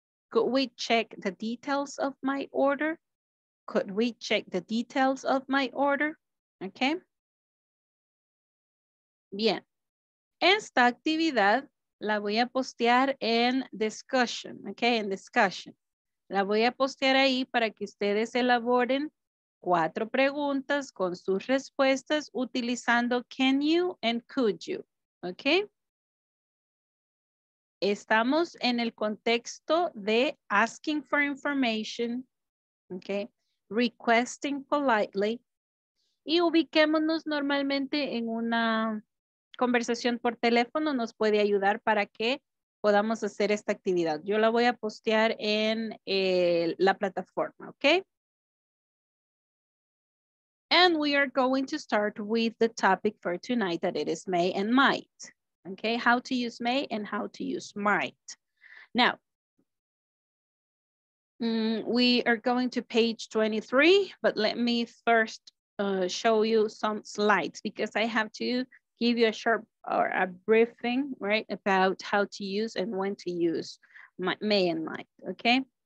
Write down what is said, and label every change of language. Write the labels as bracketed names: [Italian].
[English] Could we check the details of my order? Could we check the details of my order? Okay? [Spanish] Bien, esta actividad la voy a postear en discussion, ok, en discussion. La voy a postear ahí para que ustedes elaboren 4 preguntas con sus respuestas utilizando [English] can you and could you, [Spanish] ok. Estamos en el contexto de [English] asking for information, [Spanish] ok, [English] requesting politely, [Spanish] y ubiquémonos normalmente en una conversación por teléfono nos puede ayudar para que podamos hacer esta actividad. Yo la voy a postear en la plataforma, ¿ok? [English] And we are going to start with the topic for tonight, that it is may and might, ¿ok? How to use may and how to use might. Now, we are going to page 23, but let me first show you some slides because I have to give you a short or a briefing, right, about how to use and when to use may and might, okay?